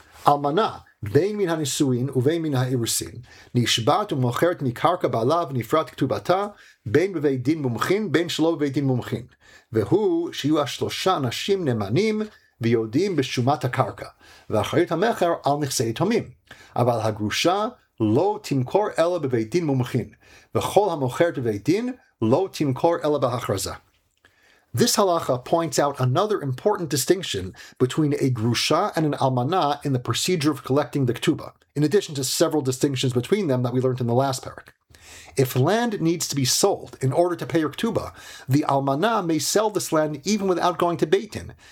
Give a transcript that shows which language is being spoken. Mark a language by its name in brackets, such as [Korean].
[Hebrew] Almana, bein min hanisuin uvein min hairusin, nishbat umocheret mikarka balav nifrat ktubata, bein bevei din mumchin, bein shlo bevei din mumchin, vehu shiyu ashlosha nashim nemanim, ויודעים בשומת הקרקע, ואחרית המחר על נכסי יתומים. אבל הגרושה לא תמכור אלא בבית דין מומחין, וכל המוכרת בבית דין לא תמכור אלא בהכרזה. [English] This halacha points out another important distinction between a grusha and an almana in the procedure of collecting the ketubah, in addition to several distinctions between them that we learned in the last parak. If land needs to be sold in order to pay her ketubah, the almana may sell this land even without going to Beit Din.